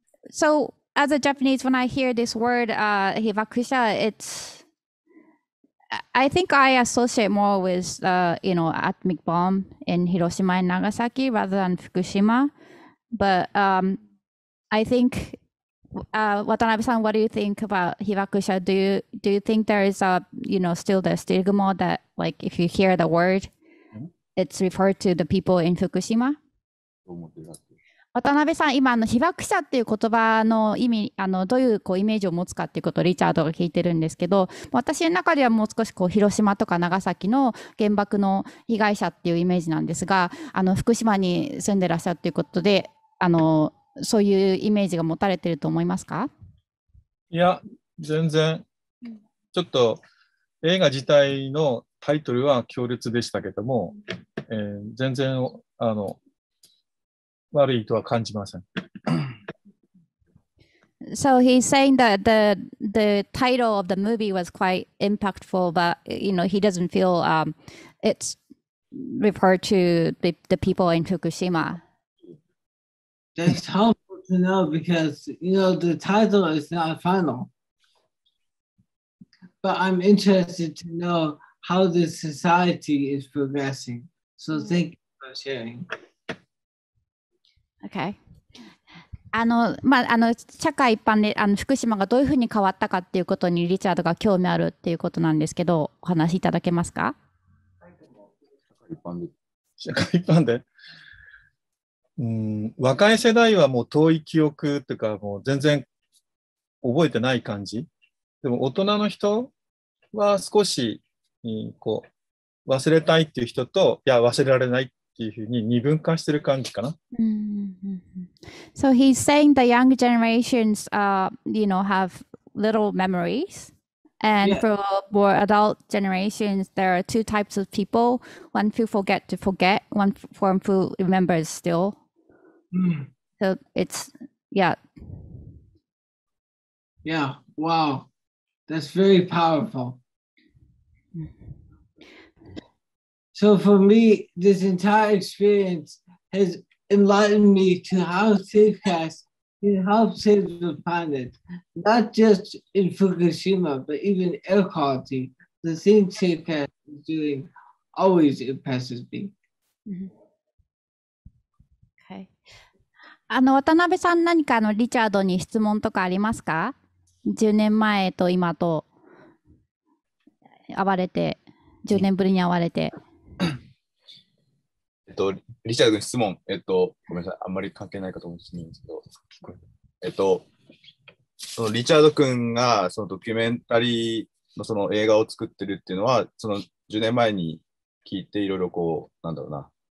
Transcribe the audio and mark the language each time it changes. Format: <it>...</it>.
<en>So as a Japanese, when I hear this word, hibakusha, I think I associate more with, atomic bomb in Hiroshima and Nagasaki rather than Fukushima. But I think, Watanabe-san, what do you think about hibakusha? Do you think there is a, still the stigma that, like, if you hear the word, It's referred to the people in Fukushima. Watanabe-san,</en> <ja>今あの被爆者っていう言葉の意味、あのどういうこうイメージを持つかっていうことをリチャードが聞いてるんですけど、私の中ではもう少しこう広島とか長崎の原爆の被害者っていうイメージなんですが、あの福島に住んでらっしゃるということで、あのそういうイメージが持たれてると思いますか？いや、全然。ちょっと映画自体のタイトルは強烈でしたけども、全然あの悪いとは感じません。</ja> <en>So he's saying that the title of the movie was quite impactful, but you know, he doesn't feel it's referred to the people in Fukushima. That's helpful to know because you know the title is not final. But I'm interested to know how the society is progressing. So thank you for sharing. Okay.</en> <ja>あの、まあ、あの社会一般であの福島がどういうふうに変わったかっていうことにリチャードが興味あるっていうことなんですけど、お話しいただけますか？社会一般で、うん、若い世代はもう遠い記憶っていうか、もう全然覚えてない感じ。でも大人の人は少し、こう忘れたいっていう人と、いや忘れられないっていうふうに二分化してる感じかな。うん。</ja> <en>So he's saying the young generations, you know, have little memories, and yeah. For more adult generations, there are two types of people: one who forget to forget, one form who remembers still. Mm. So it's yeah. Yeah. Wow, that's very powerful. So for me, this entire experience has. Enlighten me to how Safecast can help save the planet, not just in Fukushima, but even air quality. The thing Safecast is doing always impresses me. Okay.</en> <ja>あの、渡辺さん、何かあのリチャードに質問とかありますか？10年前と今と会われて、10年ぶりに会われて。リチャードに質問、ごめんなさい、あんまり関係ないかと思うんですけど、そのリチャード君がそのドキュメンタリーのその映画を作ってるっていうのは、その10年前に聞いて、いろいろこう、なんだろうな、</ja>